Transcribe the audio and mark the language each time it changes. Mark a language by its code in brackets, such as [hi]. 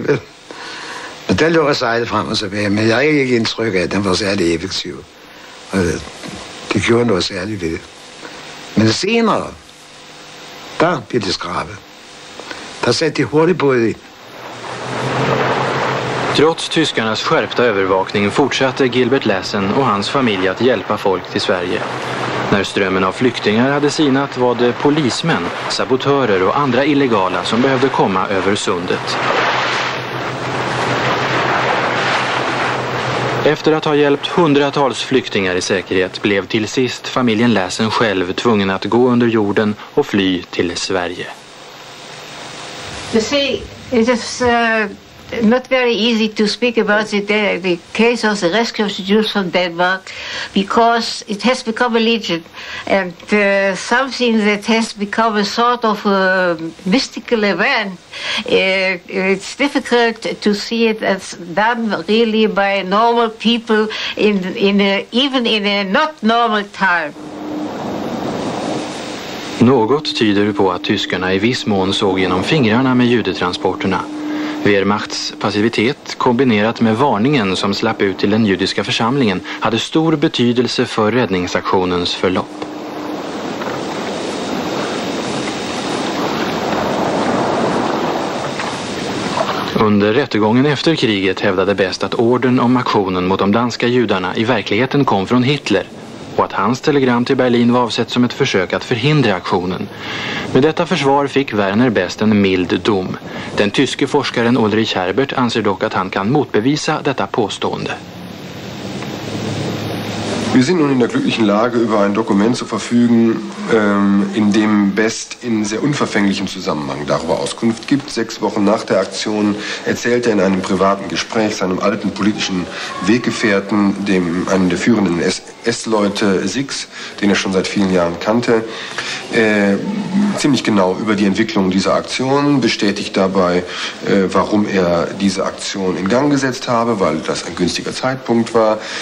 [da] Men den lå og sejlede frem og tilbage, men jeg havde ikke indtryk af, at den var særlig effektiv. Det gjorde noget særligt ved det. Men senere, der blev det skrabet. Der satte de hurtigt på det. [sv] Trots tyskarnas skärpta övervakning fortsatte Gilbert Lassen och hans familj att hjälpa folk till Sverige. När strömmen av flyktingar hade sinat var det polismän, sabotörer och andra illegala som behövde komma över sundet. Efter att ha hjälpt hundratals flyktingar i säkerhet blev till sist familjen Lassen själv tvungen att gå under jorden och fly till Sverige. [en] You see, it is not very easy to speak about the case of the rescue of the Jews from Denmark because it has become a legend and something that has become a sort of a mystical event. It's difficult to see it as done really by normal people even in a not normal time. [sv] Något tyder på att tyskarna i viss mån såg genom fingrarna med judetransporterna. Wehrmachts passivitet kombinerat med varningen som slapp ut till den judiska församlingen hade stor betydelse för räddningsaktionens förlopp. Under rättegången efter kriget hävdade Best att ordern om aktionen mot de danska judarna i verkligheten kom från Hitler och att hans telegram till Berlin var avsett som ett försök att förhindra aktionen. Med detta försvar fick Werner Best en mild dom. Den tyske forskaren Ulrich Herbert anser dock att han kan motbevisa detta påstående. [de] Wir sind nun in der glücklichen Lage, über ein Dokument zu verfügen, in dem Best in sehr unverfänglichem Zusammenhang darüber Auskunft gibt. 6 Wochen nach der Aktion erzählt er in einem privaten Gespräch seinem alten politischen Weggefährten, einem der führenden S-Leute Six, den er schon seit vielen Jahren kannte, ziemlich genau über die Entwicklung dieser Aktion, bestätigt dabei, warum er diese Aktion in Gang gesetzt habe, weil das ein günstiger Zeitpunkt war.